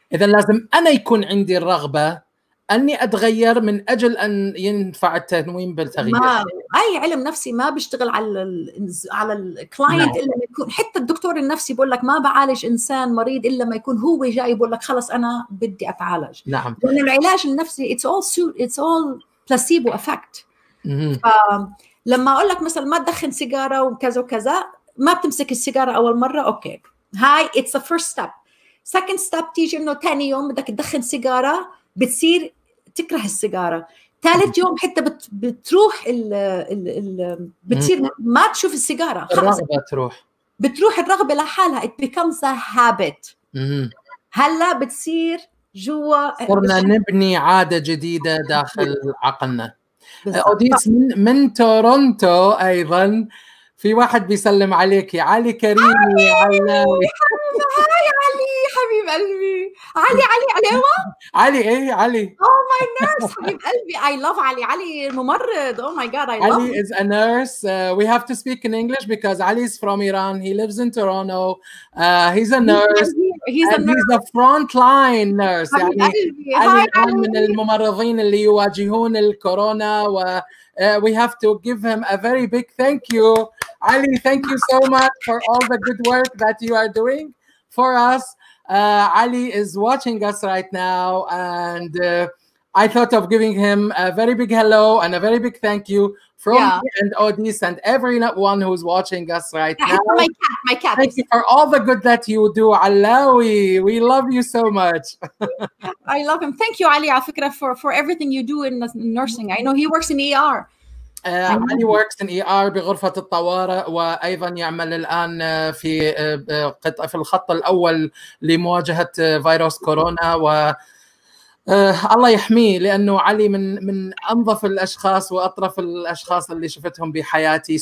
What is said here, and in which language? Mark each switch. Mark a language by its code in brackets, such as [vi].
[ar] إذا لازم أنا يكون عندي الرغبة أني أتغير من أجل أن ينفع التنويم بالتغيير. أي علم نفسي ما بيشتغل على الكلاينت إلا ما يكون، حتى الدكتور النفسي بيقول لك ما بعالج إنسان مريض إلا ما يكون هو جاي بيقول لك خلص أنا بدي أتعالج. نعم. لأن العلاج النفسي [en] it's all placebo effect. [ar] لما أقول لك مثلا ما تدخن سيجارة وكذا وكذا، ما بتمسك السيجارة أول مرة، أوكي هاي [en] it's the first step. second step [ar] تيجي إنه تاني يوم بدك تدخن سيجارة بتصير تكره السيجارة، ثالث يوم حتى بتروح الـ بتصير ما تشوف السيجارة، خلاص بتروح الرغبة لحالها، [en] it becomes a habit. [ar] هلا بتصير جوا صرنا نبني عادة جديدة داخل عقلنا. أوديس من تورونتو أيضا، في واحد بيسلم عليك، علي كريم. علي علي هاي علي حبيب قلبي، علي هو علي. ايه علي [en] oh my nurse [ar] حبيب قلبي، [en] I love علي الممرض. oh my god I علي love is a nurse. We have to speak in English because Ali is from Iran. He lives in Toronto. He's a nurse. He's a frontline nurse. [ar] حبيب يعني قلبي. علي هاي من الممرضين اللي يواجهون الكورونا و [en] we have to give him a very big thank you. Ali, thank you so much for all the good work that you are doing for us. Ali is watching us right now, and I thought of giving him a very big hello and a very big thank you from me and Audice and everyone who's watching us right now. My cat. Thank you for all the good that you do, Alawi. We love you so much. I love him. Thank you, Ali, for everything you do in nursing. I know he works in ER. Ali works in ER [ar] بغرفة الطوارئ وأيضا يعمل الآن في الخط الأول لمواجهة فيروس كورونا و الله يحميه لأنه علي من أنظف الأشخاص وأطرف الأشخاص اللي شفتهم بحياتي.